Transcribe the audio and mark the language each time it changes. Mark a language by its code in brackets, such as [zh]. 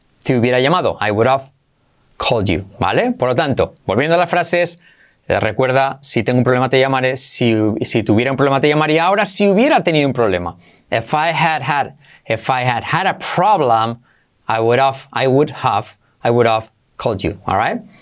[es] Te hubiera llamado, [en] I would have called you, [es] ¿vale? Por lo tanto, volviendo a las frases, recuerda, si tengo un problema te llamaré, si tuviera un problema te llamaría. Ahora, si hubiera tenido un problema, [en] if I had had a problem, I would have called you, all right?